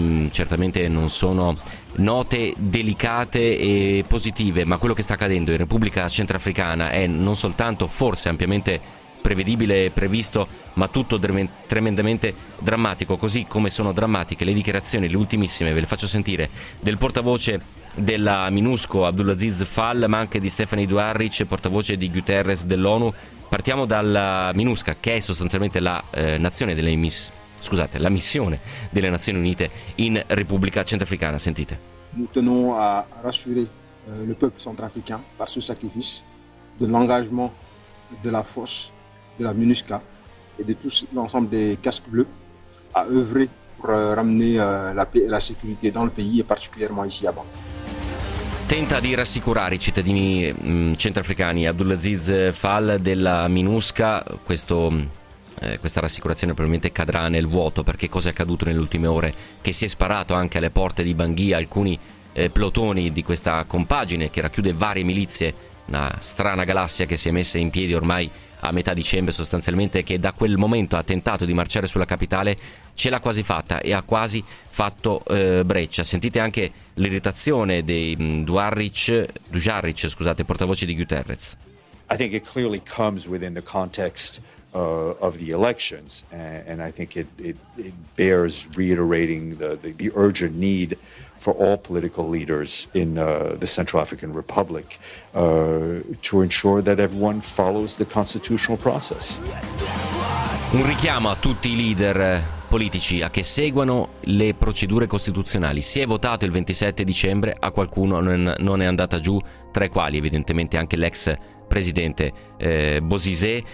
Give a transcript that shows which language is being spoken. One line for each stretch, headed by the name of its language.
Italian: Certamente non sono note delicate e positive, ma quello che sta accadendo in Repubblica Centrafricana è non soltanto forse ampiamente prevedibile e previsto, ma tutto tremendamente drammatico, così come sono drammatiche le dichiarazioni, le ultimissime, ve le faccio sentire, del portavoce della MINUSCO Abdulaziz Fall, ma anche di Stephanie Duarric, portavoce di Guterres dell'ONU. Partiamo dalla MINUSCA, che è sostanzialmente la nazione delle la missione delle Nazioni Unite in Repubblica Centrafricana. Sentite.
French: Nous tenons à rassurer le peuple centrafricain par ce sacrifice, de l'engagement de la force de la MINUSCA et de tout l'ensemble des casques bleus à œuvrer pour ramener la paix et la sécurité dans le pays et particulièrement ici à Bangui.
Italian: Tenta di rassicurare i cittadini centrafricani Abdulaziz Fall della MINUSCA. Questa rassicurazione probabilmente cadrà nel vuoto, perché cosa è accaduto nelle ultime ore? Che si è sparato anche alle porte di Bangui alcuni plotoni di questa compagine che racchiude varie milizie, una strana galassia che si è messa in piedi ormai a metà dicembre sostanzialmente, che da quel momento ha tentato di marciare sulla capitale, ce l'ha quasi fatta e ha quasi fatto breccia. Sentite anche l'irritazione dei Duarric, portavoce di Guterres.
English: I think it clearly comes within the context of the elections, and I think it bears reiterating the urgent need for all political leaders in the Central African Republic to ensure that everyone follows the constitutional process.
Italian: Un richiamo a tutti i leader politici a che seguano le procedure costituzionali. Si è votato il 27 dicembre, a qualcuno non è andata giù, tra i quali evidentemente anche l'ex presidente Bozizé.